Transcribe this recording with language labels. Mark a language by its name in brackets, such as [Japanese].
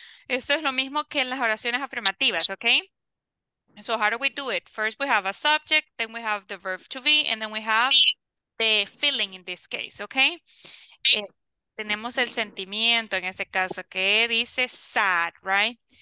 [Spanish] Esto es lo mismo que en las oraciones afirmativas, okay? [English] So how do we do it? First we have a subject, then we have the verb to be, and then we have the feeling in this case, okay? [Spanish] Tenemos el sentimiento en ese caso que dice sad, right?